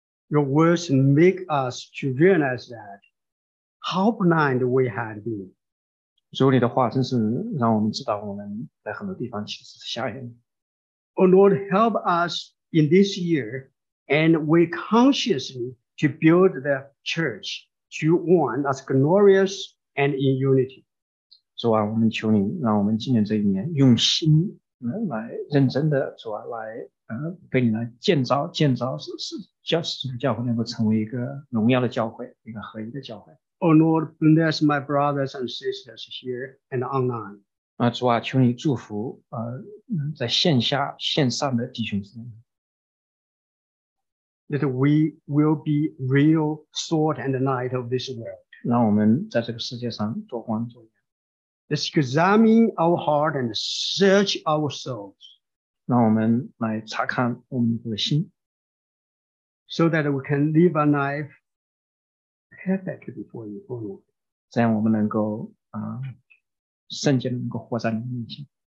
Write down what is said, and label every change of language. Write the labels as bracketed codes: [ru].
[en] Your words make us to realize that how blind we had been. [zh] 主你的话真是让我们知道我们在很多地方其实是瞎眼。 [en] Oh Lord, help us in this year and we consciously to build the church to one as glorious and in unity. [zh] 主啊，我们求你让我们今年这一年用心。来认真的主啊，来被你来建造教会能够成为一个荣耀的教会，一个合一的教会。 [en] Oh Lord, bless my brothers and sisters here and online. [zh] 主啊，求你祝福在线下线上的弟兄姊妹。 [en] That we will be real salt and light of this world. [zh] 让我们在这个世界上做光做盐。 [en] Let's examine our heart and search our souls. [zh] 让我们来查看我们的心。 [en] So that we can live a life perfect before you, O Lord. [zh] 这样我们能够圣洁的能够活在你面前。